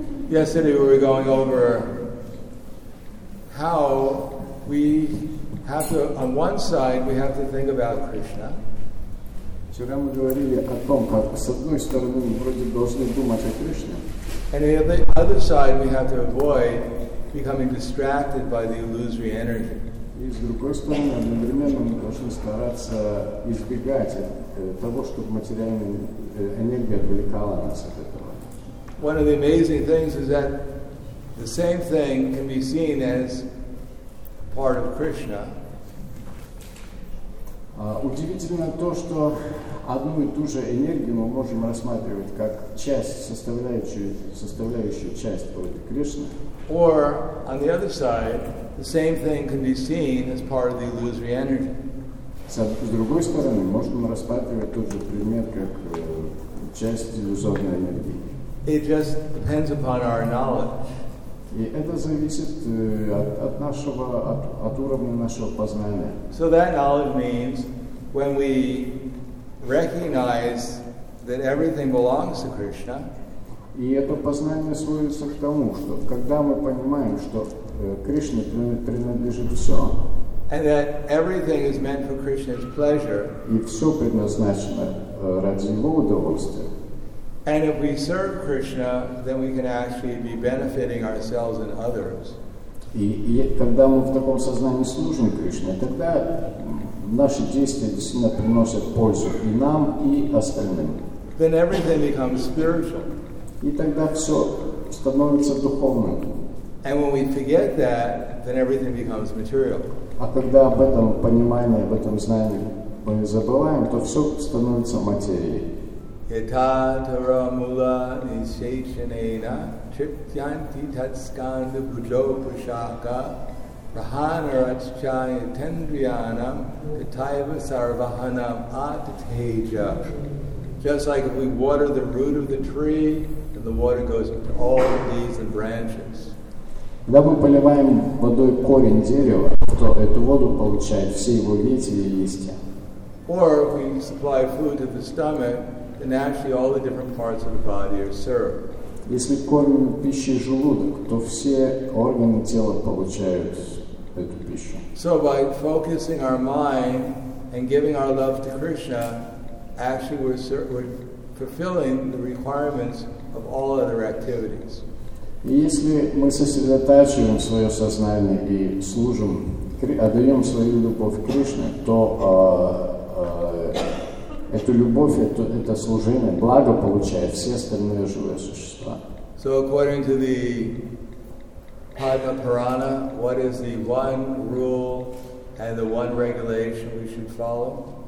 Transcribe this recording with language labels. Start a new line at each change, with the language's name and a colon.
English: Yesterday we were going over how we have to, on one side, we have to think about Krishna.
Russian: Вчера мы говорили о том, как с одной стороны мы вроде должны думать о Кришне.
English: And on the other side, we have to avoid becoming distracted by the illusory energy.
Russian: И с другой стороны, одновременно мы должны стараться избегать того, чтобы материальная энергия отвлекала нас от этого.
English: One of the amazing things is that the same thing can be seen as part of Krishna.
Russian: Удивительно то, что одну и ту же энергию мы можем рассматривать как часть, составляющую часть Бога Кришны.
English: Or, on the other side, the same thing can be seen as part of the illusory energy.
Russian: С другой стороны, можем рассматривать тот же пример как часть иллюзорной энергии.
English: It just depends upon our knowledge.
Russian: И это зависит от уровня нашего познания.
English: So that knowledge means when we recognize that everything belongs to Krishna.
Russian: И это познание сводится к тому, что когда мы понимаем, что Кришне принадлежит все.
English: And that everything is meant for Krishna's pleasure.
Russian: И все предназначено ради его удовольствия.
English: And if we serve Krishna, then we can actually be benefiting ourselves and others.
Russian: И когда мы в таком сознании служим Кришне, тогда наши действия действительно приносят пользу и нам, и остальным.
English: Then everything becomes spiritual.
Russian: И тогда все становится духовным.
English: And when we forget that, then everything becomes material.
Russian: А когда об этом понимании, об этом знании мы забываем, то все становится материей.
Sanskrit: Yatataramula nishechanena chityanti tatskanda bhujo pushaka rahanarachchaya tendriyanam kataiva sarvahanam atateja.
English: Just like if we water the root of the tree, then the water goes into all the leaves and branches.
Russian: Когда мы поливаем водой корень дерева, то эту воду получают все его ветви и листья.
English: Or if we supply food to the stomach, then actually all the different parts of the body are served.
Russian: Если кормим пищей желудок, то все органы тела получают эту пищу.
English: So by focusing our mind and giving our love to Krishna, actually we're fulfilling the requirements of all other activities.
Russian: И если мы сосредотачиваем свое сознание и служим, отдаем свою любовь Кришне, то эту любовь, это служение, благо получает все остальные живые существа.
English: So according to the Padma Purana, what is the one rule and the one regulation we should follow?